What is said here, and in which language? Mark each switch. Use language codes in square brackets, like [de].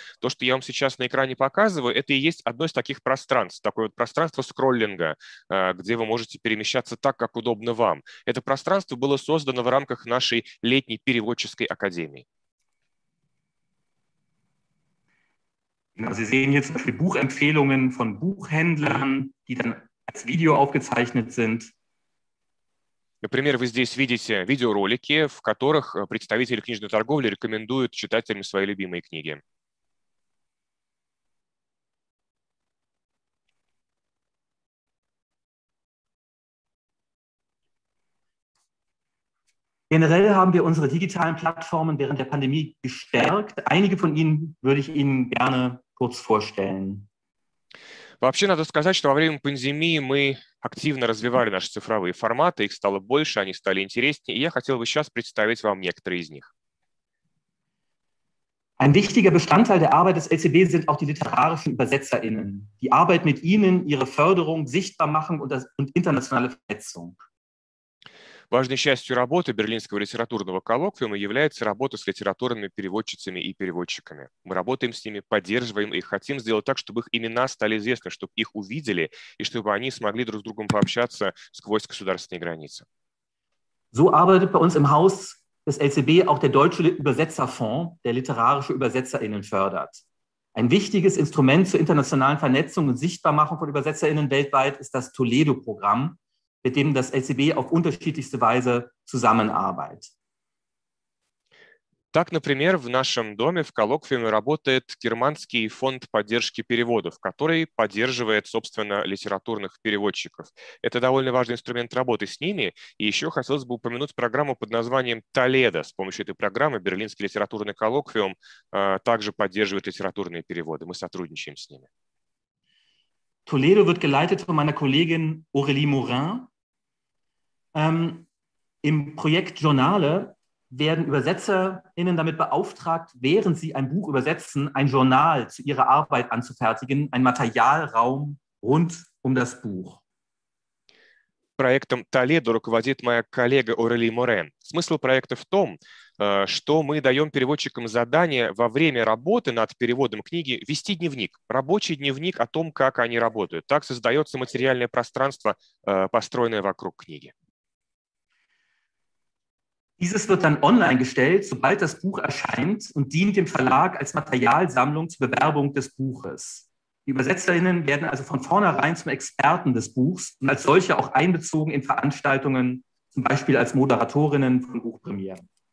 [ru] То, что я вам сейчас на экране показываю, это и есть одно из таких пространств. Такое вот пространство скроллинга, где вы можете перемещаться так, как удобно вам. Это пространство было создано в рамках нашей летней переводческой академии. [de] Sie sehen hier zum Beispiel Buchempfehlungen von Buchhändlern, die dann als Video aufgezeichnet sind. [ru] Например, вы здесь видите видеоролики, в которых представители книжной торговли рекомендуют читателям свои любимые книги. [de] Generell haben wir unsere digitalen Plattformen während der Pandemie gestärkt. Einige von ihnen würde ich Ihnen gerne kurz vorstellen. [ru] Вообще, надо сказать, что во время пандемии мы активно развивали наши цифровые форматы, их стало больше, они стали интереснее, и я хотел бы сейчас представить вам некоторые из них. [de] Ein wichtiger Bestandteil der Arbeit des LCB sind auch die literarischen ÜbersetzerInnen. Die Arbeit mit ihnen, ihre Förderung, Sichtbarmachung und internationale Vernetzung. [ru] Важной частью работы Берлинского литературного коллоквиума является работа с литературными переводчицами и переводчиками. Мы работаем с ними, поддерживаем их, хотим сделать так, чтобы их имена стали известны, чтобы их увидели и чтобы они смогли друг с другом пообщаться сквозь государственные границы. [de] So arbeitet bei uns im Haus des LCB auch der Deutsche Übersetzerfonds, der literarische ÜbersetzerInnen fördert. Ein wichtiges Instrument zur internationalen Vernetzung und Sichtbarmachung von ÜbersetzerInnen weltweit ist das Toledo-Programm, mit dem das LCB auf unterschiedlichste Weise zusammenarbeitet. [ru] Так, например, в нашем доме в коллоквиуме работает германский фонд поддержки переводов, который поддерживает, собственно, литературных переводчиков. Это довольно важный инструмент работы с ними. И еще хотелось бы упомянуть программу под названием «Толедо». С помощью этой программы Берлинский литературный коллоквиум также поддерживает литературные переводы. Мы сотрудничаем с ними. [de] Toledo wird geleitet von meiner Kollegin Aurélie Morin. Im Projekt Journale werden ÜbersetzerInnen damit beauftragt, während sie ein Buch übersetzen, ein Journal zu ihrer Arbeit anzufertigen, ein Materialraum rund um das Buch. [ru] Проектом Толедо руководит моя коллега Орели Морен. Смысл проекта в том, что мы даем переводчикам задание во время работы над переводом книги вести дневник, рабочий дневник о том, как они работают. Так создается материальное пространство, построенное вокруг книги. [de] Dieses wird dann online gestellt, sobald das Buch erscheint und dient dem Verlag als Materialsammlung zur Bewerbung des Buches. Die ÜbersetzerInnen werden also von vornherein zum Experten des Buchs und als solche auch einbezogen in Veranstaltungen, zum Beispiel als Moderatorinnen von Buchpremieren.